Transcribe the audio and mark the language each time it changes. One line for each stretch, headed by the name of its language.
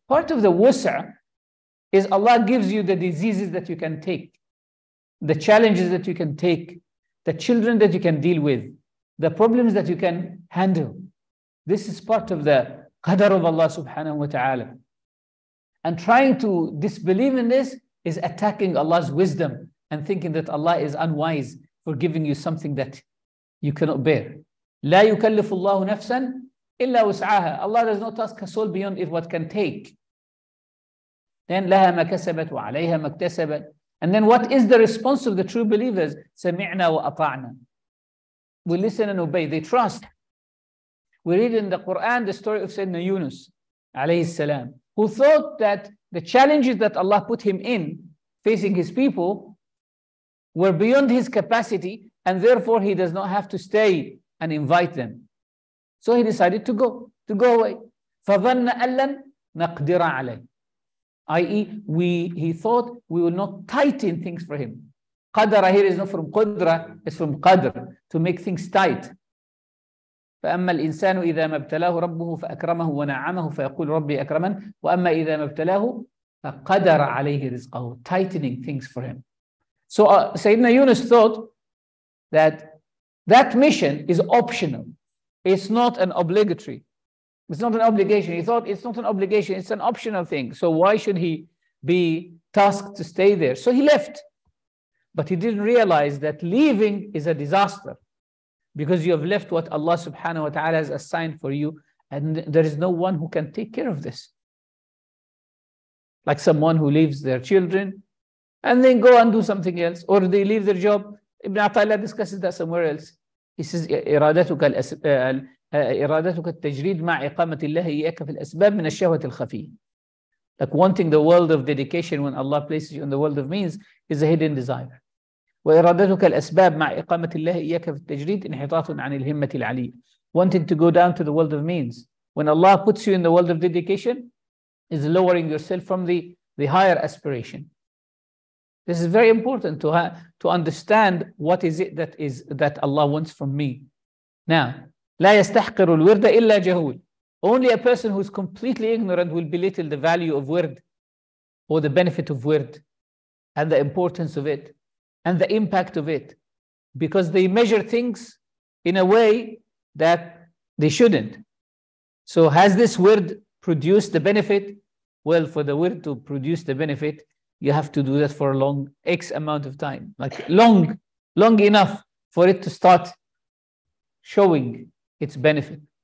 English: Part of the wus'a is Allah gives you the diseases that you can take, the challenges that you can take, the children that you can deal with, the problems that you can handle. This is part of the qadar of Allah subhanahu wa ta'ala. And trying to disbelieve in this is attacking Allah's wisdom and thinking that Allah is unwise for giving you something that you cannot bear.
Arabic: لا يكلف الله نفسا إلا وسعها.
English: Allah does not ask a soul beyond it what can take. Then
Arabic: لها ما كسبت وعليها ما اكتسبت.
English: And then what is the response of the true believers?
Arabic: سمعنا وأطعنا.
English: We listen and obey. They trust. We read in the Quran the story of Sayyidina Yunus
Arabic: عليه السلام,
English: who thought that the challenges that Allah put him in facing his people were beyond his capacity, and therefore he does not have to stay and invite them. So he decided to go away.
Arabic: فَظَنَّ أَلَّن نَقْدِرَ عَلَيْهِ, i.e.
English: he thought we will not tighten things for him. Qadra here is not from qudra, it's from qadr, to make things tight.
Arabic: فَأَمَّا الْإِنسَانُ إِذَا مَبْتَلَاهُ رَبُّهُ فَأَكْرَمَهُ وَنَعَمَهُ فَيَقُولُ رَبِّي أَكْرَمَنْ وَأَمَّا إِذَا مَبْتَلَاهُ فَقَدَرَ عَلَيْهِ رِزْقَهُ,
English: tightening things for him. So Sayyidina Yunus thought that mission is optional. It's not an obligatory. It's not an obligation. He thought it's not an obligation. It's an optional thing. So why should he be tasked to stay there? So he left. But he didn't realize that leaving is a disaster, because you have left what Allah subhanahu wa ta'ala has assigned for you, and there is no one who can take care of this. Like someone who leaves their children and then go and do something else, or they leave their job. Ibn Atala discusses that somewhere else. He says,
Arabic: إرادتك إرادتك التجريد مع إقامة الله إياك في الأسباب من الشهوة الخفية.
English: Like wanting the world of dedication when Allah places you in the world of means is a hidden desire.
Arabic: وإرادتك الأسباب مع إقامة الله إياك في التجريد انحطاط عن الهمة العلية.
English: Wanting to go down to the world of means when Allah puts you in the world of dedication is lowering yourself from the higher aspiration. This is very important to understand what is it that Allah wants from me. Now,
Arabic: لا يستحقر الورد إلا جهول.
English: Only a person who is completely ignorant will belittle the value of word, or the benefit of word, and the importance of it, and the impact of it, because they measure things in a way that they shouldn't. So has this word produced the benefit? Well, for the word to produce the benefit, you have to do that for a long X amount of time, like long enough for it to start showing its benefit.